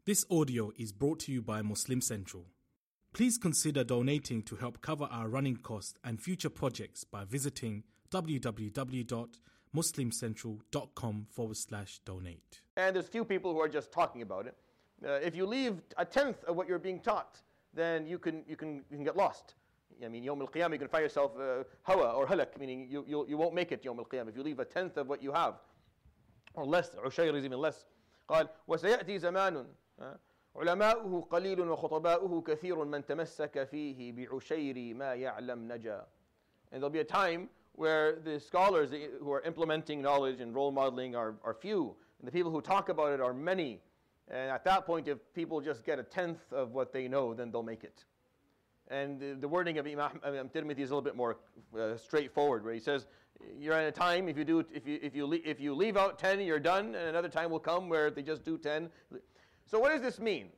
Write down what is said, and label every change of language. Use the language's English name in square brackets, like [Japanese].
[English] This audio is brought to you by Muslim Central. Please consider donating to help cover our running costs and future projects by visiting www.muslimcentral.com/donate. And there's few people who are just talking about it. If you leave a tenth of what you're being taught, then you can get lost. I mean, Yawm al-Qiyam, you can find yourself hawa or halak, meaning you won't make it Yawm al-Qiyam if you leave a tenth of what you have, or less. Ushayr is even less. [Arabic] قال وسيأتي زمان علماؤه قليل وخطباؤه كثير من تمسك فيه بعشير ما يعلم نجا. [English] And there'll be a time where the scholars who are implementing knowledge and role modeling are few, and the people who talk about it are many. And at that point, if people just get a tenth of what they know, then they'll make it. And the wording of Imam Tirmidhi is a little bit more straightforward, where he says, you're at a time, if you leave out 10, you're done, and another time will come where they just do 10. So what does this mean?